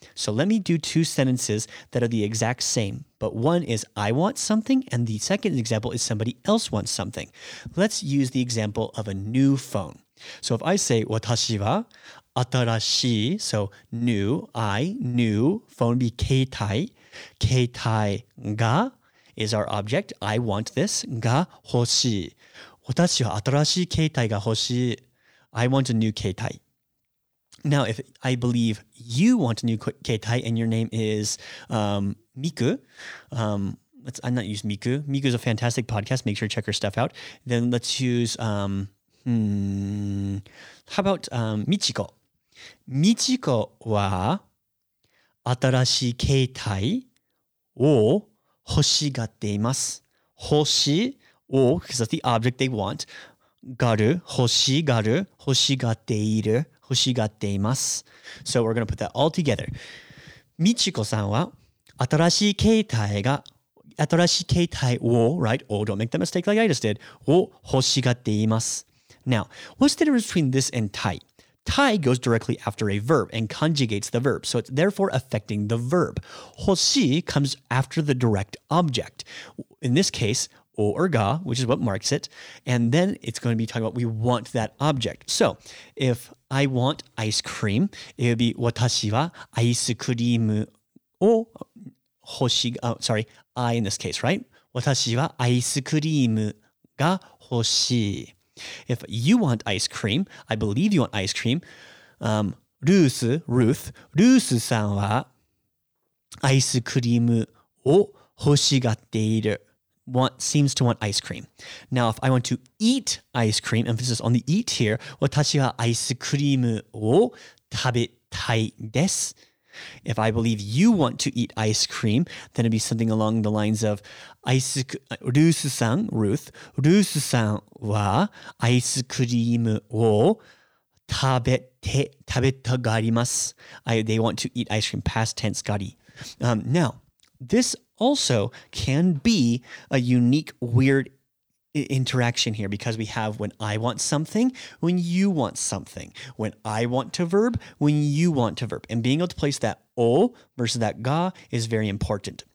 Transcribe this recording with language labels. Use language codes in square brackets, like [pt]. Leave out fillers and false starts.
[en] So let me do two sentences that are the exact same, but one is I want something, and the second example is somebody else wants something. Let's use the example of a new phone. So if I say [ja] 私は新しい, [en] so new, I, new, phone be [ja] 携帯,携帯が [en] is our object. I want this. [ja] が欲しい。私は新しい携帯が欲しい。 [en] I want a new 携帯。 Now, if I believe you want a new 携帯 and your name is Miku, I'm not using Miku. Miku is a fantastic podcast. Make sure to check her stuff out. Then let's use, how about Michiko? [ja] Michiko は新しい携帯を欲しがっています。欲しいを、 [en] because that's the object they want. [ja] がる、欲しがる、欲しがっている、欲しがっています。 [en] So we're going to put that all together. [ja] みちこさんは新しい携帯を、right? [en] Oh, don't make that mistake like I just did. [ja] を欲しがっています。 [en] Now, what's the difference between this and tai? Tai goes directly after a verb and conjugates the verb, so it's therefore affecting the verb. Hoshi comes after the direct object. In this case, o or ga, which is what marks it, and then it's going to be talking about we want that object. So, if I want ice cream, it would be [ja] 私はアイスクリームを欲しが、 [en] sorry, I in this case, right? [ja] 私はアイスクリームが欲しい。 [en] If you want ice cream, I believe you want ice cream. [ja] ルースさんはアイスクリームを欲しがっている。 [en] Want, seems to want ice cream. Now, if I want to eat ice cream, emphasis on the eat here, [ja] 私はアイスクリームを食べたいです。 [en] If I believe you want to eat ice cream, then it'd be something along the lines of [ja] ルースさんはアイスクリームを食べたがります。 [en] They want to eat ice cream, past tense, gotti. Now, this also can be a unique, weird interaction here because we have when I want something, when you want something, when I want to verb, when you want to verb. And being able to place that o versus that ga is very important.